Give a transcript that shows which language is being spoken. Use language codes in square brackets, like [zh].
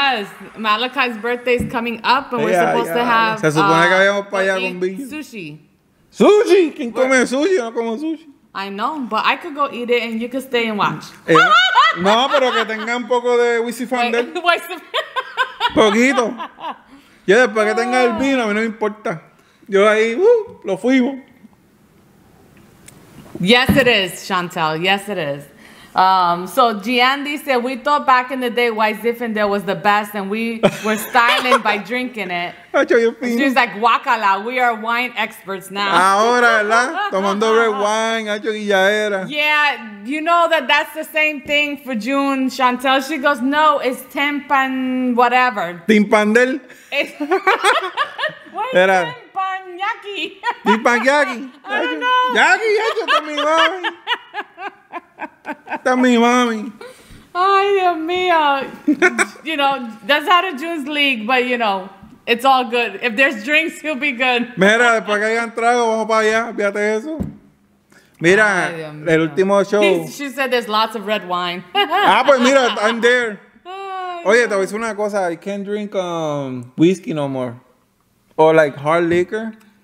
[en] Yes, Malachi's birthday is coming up and we're supposed to have... [es] Se supone que vayamos para allá con Bill. [en] Sushi. [es] Sushi, ¿quién come sushi? Yo no como sushi. [en] I know, but I could go eat it and you could stay and watch. [es] No, pero que tenga un poco de Wisin Yandel. Poquito. Yo después que tenga el vino, a mí no me importa. Yo ahí, lo fuimos. [en] Yes, it is, Chantel. Yes, it is. So Gian [es] dice, [en] we thought back in the day White Zinfandel was the best and we were styling by drinking it. She's like, guacala, we are wine experts now. [es] Ahora, ¿verdad? Tomando [en] red wine, [es] acho y ya era. [en] Yeah, you know that's the same thing for June, Chantel. She goes, no, it's timpan whatever. Timpandel. [es] Era. Timpanyaki. Timpanyaki. [en] I don't know. [es] Yaki, acho, también. Esta es mi mami. Ay, Dios mío. [en] You know, that's out of June's league, but you know, it's all good. If there's drinks, he'll be good. [es] Mira, después que hayan trago, vamos para allá. Fíjate eso. Mira, ay, el último show. [en] She said there's lots of red wine. [es] Ah, pues mira, [en] I'm there. [es] Oye, te voy a decir una cosa. [en] I can't drink whiskey no more. Or like hard liquor.